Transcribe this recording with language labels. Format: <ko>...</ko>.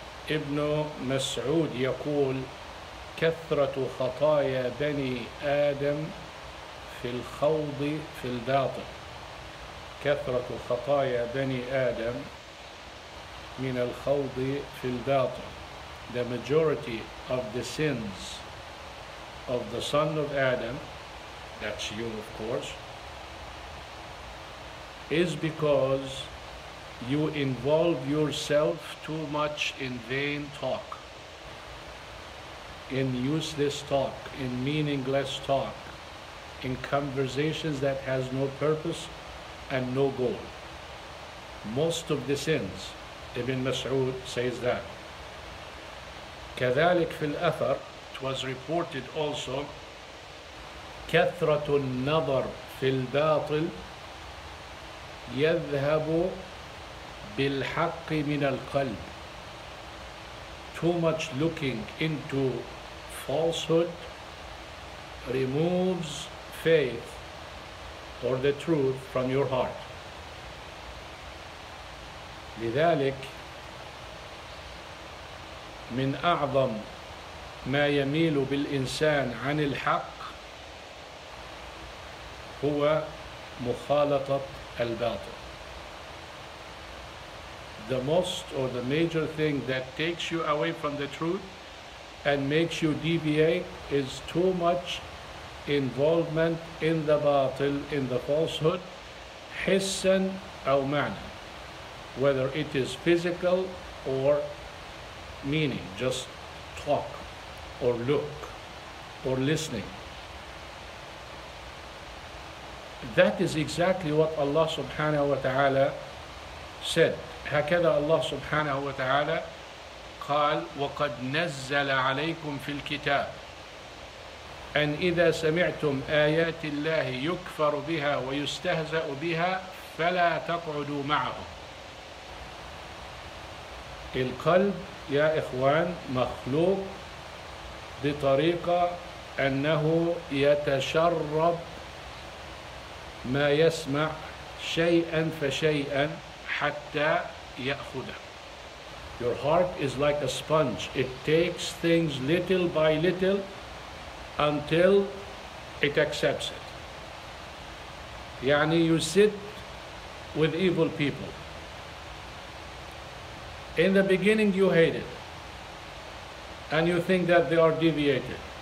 <ar>ابن مسعود يقول: كثرة خطايا بني آدم في الخوض في الباطل، كثرة خطايا بني آدم من الخوض في الباطل.</ar> <en>The majority of the sins of the son of Adam, that's you of course, is because you involve yourself too much in vain talk, in useless talk, in meaningless talk, in conversations that has no purpose and no goal. Most of the sins, Ibn Mas'ud says that.</en> <ar>كذلك في الأثر,</ar> <en>it was reported also,</en> <ar>كثرة النظر في الباطل يذهب بالحق من القلب.</ar> <en>Too much looking into falsehood removes faith or the truth from your heart.</en> <ar>لذلك من أعظم ما يميل بالإنسان عن الحق هو مخالطة الباطل.</ar> <en>The most or the major thing that takes you away from the truth and makes you deviate is too much involvement in the batil, in the falsehood,</en> <ar>hissan aw ma'na,</ar> <en>whether it is physical or meaning, just talk or look or listening. That is exactly what Allah subhanahu wa ta'ala said.</en> <ar>هكذا الله سبحانه وتعالى قال: وقد نزل عليكم في الكتاب أن إذا سمعتم آيات الله يكفر بها ويستهزأ بها فلا تقعدوا معهم. القلب يا إخوان مخلوق بطريقة أنه يتشرب ما يسمع شيئا فشيئا حتى يأخذه.</ar> <en>Your heart is like a sponge. It takes things little by little until it accepts it.</en> <ar>يعني</ar> <en>you sit with evil people. In the beginning you hate it. And you think that they are deviated.</en>